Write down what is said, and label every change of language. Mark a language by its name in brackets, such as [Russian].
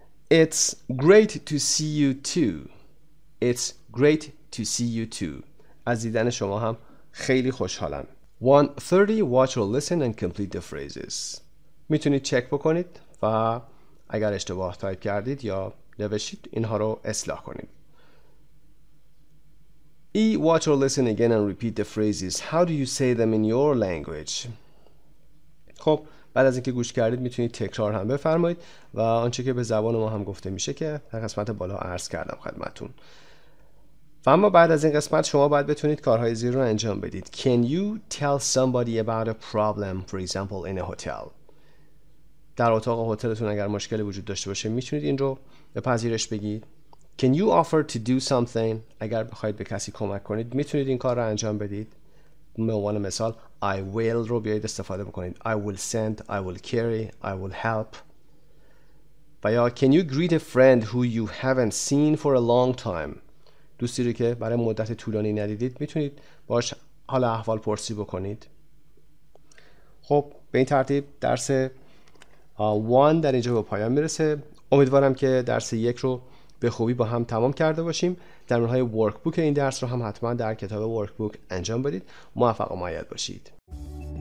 [English] It's great to see you too. It's great to see you too. [Persian] از دیدن شما هم خیلی خوشحالم. [English] 1:30, watch or listen and complete the phrases. [Persian] میتونید چک بکنید و اگر اشتباه تایپ کردید یا نوشید اینها رو اصلاح کنید. [English] E, watch or listen again and repeat the phrases. How do you say them in your language? [Persian] خب بعد از اینکه گوش کردید میتونید تکرار هم بفرمایید و آنچه که به زبان ما هم گفته میشه که در قسمت بالا عرض کردم خدمتون. و اما بعد از این قسمت شما باید بتونید کارهای زیر رو انجام بدید. [English] Can you tell somebody about a problem, for example, in a hotel? [Persian] در اتاق هتلتون اگر مشکلی وجود داشته باشه میتونید این رو به پذیرش بگید. [English] Can you offer to do something? [Persian] اگر بخواید به کسی کمک کنید میتونید این کار رو انجام بدید. به عنوان مثال [English] I will [Persian] رو بیایید استفاده بکنید. [English] I will send, I will carry, I will help. [Persian] و یا [English] Can you greet a friend who you haven't seen for a long time? [Persian] دوستی رو که برای مدت طولانی ندیدید میتونید باش حال احوال پرسی بکنید. خب به این ترتیب درس 1 در اینجا به پایان میرسه. امیدوارم که درس 1 رو به خوبی با هم تمام کرده باشیم. در مورد ورکبوک این درس رو هم حتما در کتاب ورکبوک انجام بدید. موفق و معید باشید.